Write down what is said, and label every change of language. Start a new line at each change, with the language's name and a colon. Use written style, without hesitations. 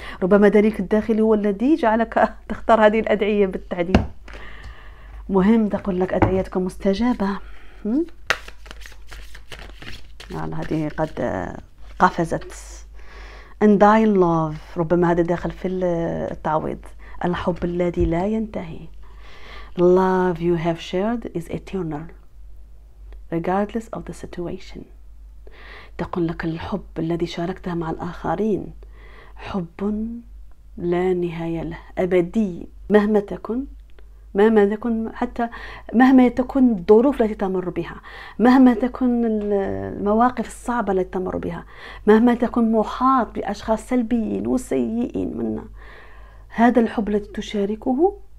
Arabic: ربما دليلك الداخلي هو الذي جعلك تختار هذه الأدعية بالتحديد. مهم تقول لك أدعيتك مستجابة. يعني هذه قد قفزت.
English: And thy love،
Arabic: ربما هذا داخل في التعويض، الحب الذي لا ينتهي.
English: Love you have shared is eternal regardless of the situation.
Arabic: تقول لك الحب الذي شاركته مع الآخرين حب لا نهاية له، أبدي مهما تكون، مهما تكون، حتى مهما تكون الظروف التي تمر بها، مهما تكون المواقف الصعبة التي تمر بها، مهما تكون محاط بأشخاص سلبيين وسيئين منا، هذا الحب الذي تشاركه،